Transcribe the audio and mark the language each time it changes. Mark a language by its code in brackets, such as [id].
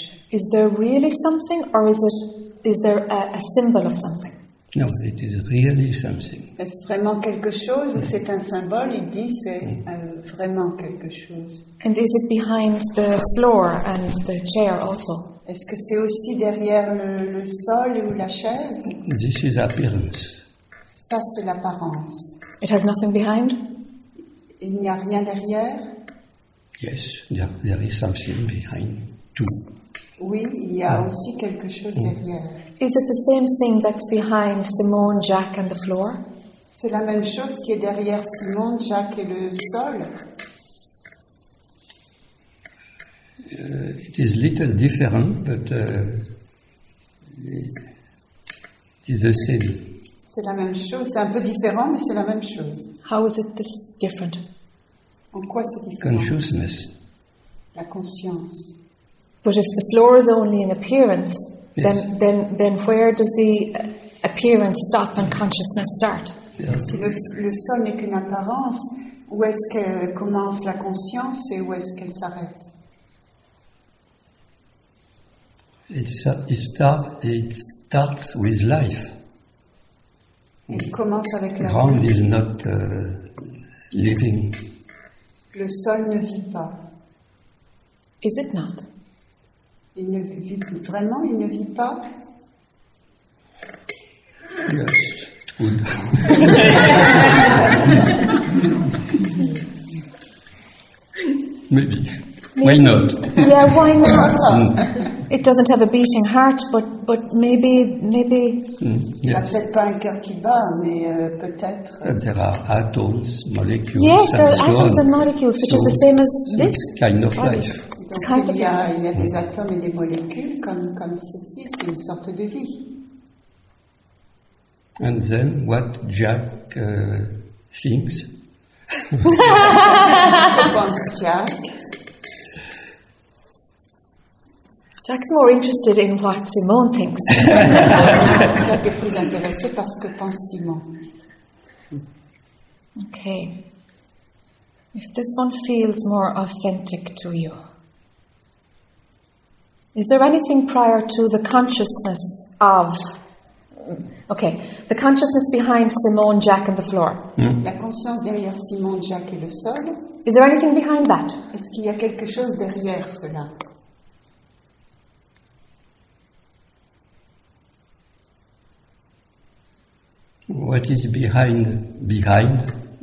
[en] Is there really something, or is there a symbol of something? No, it is really something. [fr] Est-ce vraiment quelque chose, ou c'est un symbole? Il dit c'est vraiment quelque chose. [en] And is it behind the floor and the chair also? [fr] Est-ce que c'est aussi derrière le sol ou la chaise? [en] This is appearance. [fr] Ça c'est l'apparence. [en] It has nothing behind. [fr] Il n'y a rien derrière. [en] Yes, there is something behind too. [fr] Oui, il y a aussi quelque chose derrière. [en] Is it the same thing that's behind Simone, Jack and the floor? [fr] C'est la même chose qui est derrière Simone, Jack et le sol. [en] It is a little different, but it is the same. [fr] C'est la même chose, c'est un peu différent, mais c'est la même chose. [en] How is it this different? [fr] En quoi c'est différent? [en] Consciousness. [fr] La conscience. [en] But if the floor is only an appearance, yes. then where does the appearance stop and consciousness start? [fr] Yes. Si le sol n'est qu'une apparence, où est-ce que commence la conscience et où est-ce qu'elle s'arrête? [en] It starts with life. [fr] Il commence avec la [en] ground [fr] vie. [en] Is not living. [fr] Le sol ne vit pas. [en] Is it not? [fr] Il ne vit vraiment, il ne vit pas. [en] Yes, it could. Maybe. Why not? Yeah, why not? It doesn't have a beating heart, but maybe. [fr] Il n'a peut-être pas un cœur qui bat, mais peut-être. [en] There are atoms, molecules. Yes, there are atoms and molecules, which is the same as this. It's kind of life. [fr] Donc il y a des atomes et des molécules comme ceci, c'est une sorte de vie. [en] And then what Jack thinks? [fr] Que pense Jack? [en] Jack's more interested in what Simone thinks. [fr] Jack est plus intéressé par ce que pense Simone. [en] Okay. If this one feels more authentic to you, is there anything prior to the consciousness of... Okay, the consciousness behind Simone, Jack and the floor. [fr] La conscience derrière Simone, Jack et le sol. [en] Is there anything behind that? [fr] Est-ce qu'il y a quelque chose derrière cela? [en] What is behind?